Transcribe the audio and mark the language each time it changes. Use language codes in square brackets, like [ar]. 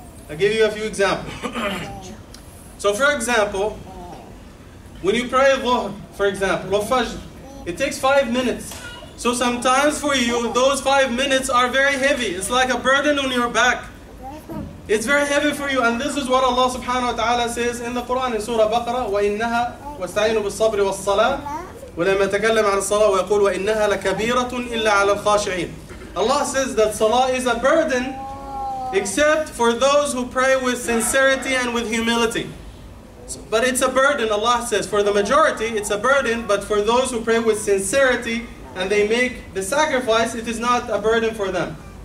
[en] I'll give you a few examples. So for example, when you pray Dhuhr, for example, or Fajr, it takes 5 minutes. So sometimes for you, those 5 minutes are very heavy. It's like a burden on your back. It's very heavy for you. And this is what Allah subhanahu wa ta'ala says in the Quran, in Surah Baqarah, [ar] وَإِنَّهَا وَاسْتَعِينُوا بِالصَّبْرِ وَالصَّلَاةِ ولما تكلم عن الصلاة ويقول وإنها لكبيرة إلا على الخاشعين. [en] Allah says that salah is a burden except for those who pray with sincerity and with humility. But it's a burden, Allah says, for the majority it's a burden, but for those who pray with sincerity and they make the sacrifice, it is not a burden for them.